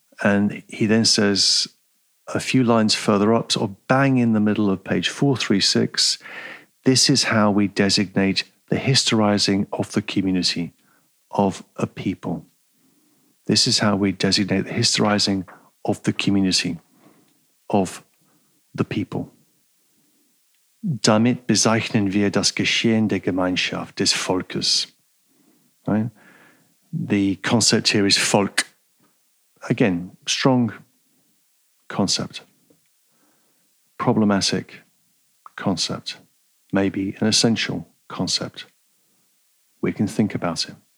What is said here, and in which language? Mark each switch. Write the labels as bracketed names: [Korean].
[English] And he then says a few lines further up, sort of bang in the middle of page 436, this is how we designate the historizing of the community of a people. This is how we designate the historizing of the community of the people. [German] Damit bezeichnen wir das Geschehen der Gemeinschaft, des Volkes. [English] Right? The concept here is Volk. Again, strong concept. Problematic concept. Maybe an essential concept. We can think about it.